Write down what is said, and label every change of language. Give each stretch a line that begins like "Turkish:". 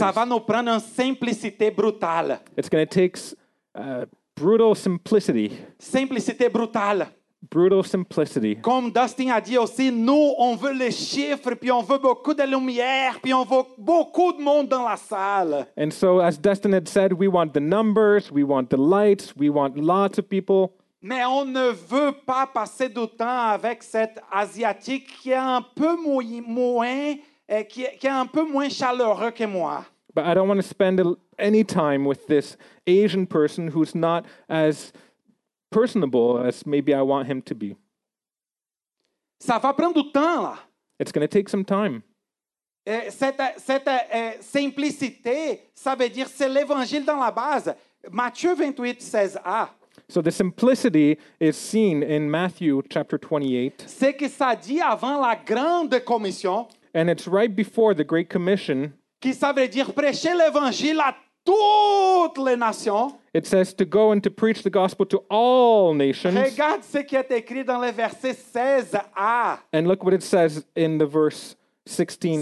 French: Ça va nous prendre une simplicité brutale.
English: It's going to take brutal simplicity.
French: Simplicité brutale.
English: brutal simplicity.
French: Comme Dustin a dit aussi, nous on veut les chiffres, puis on veut beaucoup de lumière, puis on veut beaucoup de monde dans la salle.
English: And so, as Dustin had said, we want the numbers, we want the lights, we want lots of people.
French: Mais on ne veut pas passer du temps avec cette asiatique qui est un peu moins chaleureux que moi.
English: But I don't want to spend any time with this Asian person who's not as personable as maybe I want him to be.
French: Ça va prendre du temps là.
English: It's going to take some time.
French: Cette simplicité, ça veut dire c'est l'évangile dans la base. Matthieu 28, 16a.
English: So the simplicity is seen in Matthew chapter 28.
French: C'est que ça dit avant la grande commission.
English: And it's right before the Great Commission.
French: Qui ça veut dire prêcher l'évangile à toutes les nations.
English: It says to go and to preach the gospel to all nations.
French: Regarde ce qui est écrit dans le verset 16a.
English: And look what it says in the verse 16a.